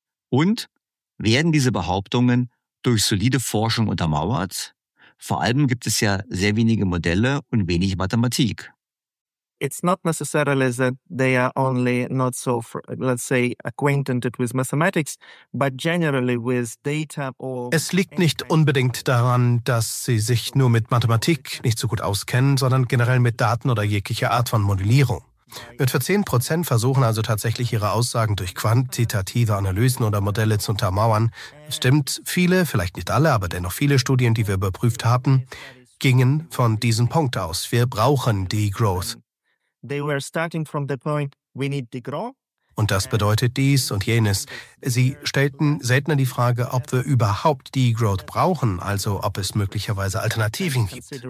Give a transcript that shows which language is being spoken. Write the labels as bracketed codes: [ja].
[de] Und werden diese Behauptungen durch solide Forschung untermauert? Vor allem gibt es ja sehr wenige Modelle und wenig Mathematik. [en] It's not necessarily that they are only not so, let's say, acquainted with mathematics, but generally with data or. [de] Es liegt nicht unbedingt daran, dass sie sich nur mit Mathematik nicht so gut auskennen, sondern generell mit Daten oder jeglicher Art von Modellierung. Etwa 10% versuchen also tatsächlich ihre Aussagen durch quantitative Analysen oder Modelle zu untermauern. Stimmt, viele, vielleicht nicht alle, aber dennoch viele Studien, die wir überprüft haben, gingen von diesem Punkt aus. Wir brauchen Degrowth. [en] They were starting from the point, we need Degrowth. [de] Und das bedeutet dies und jenes. Sie stellten seltener die Frage, ob wir überhaupt Degrowth brauchen, also ob es möglicherweise Alternativen gibt.